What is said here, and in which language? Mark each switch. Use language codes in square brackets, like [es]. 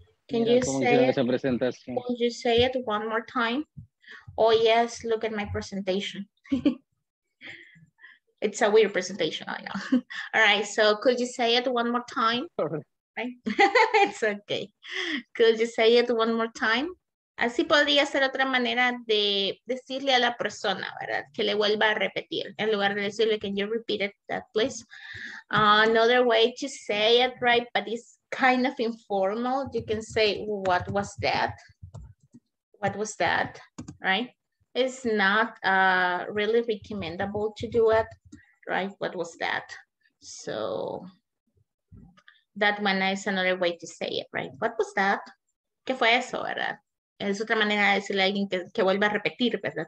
[en] Can you say it? Could you say it one more time? Oh yes, look at my presentation. It's a weird presentation, I know. All right, so could you say it one more time? Right? It's okay. Could you say it one more time? [es] Así podría ser otra manera de decirle a la persona, ¿verdad? Que le vuelva a repetir. En lugar de decirle, [en] can you repeat it, that please? Another way to say it, right? But it's kind of informal. You can say, what was that? What was that? Right? It's not really recommendable to do it, right? What was that? So that one is another way to say it, right? What was that? [es] ¿Qué fue eso, verdad? Es otra manera de decirle a alguien que vuelva a repetir, ¿verdad?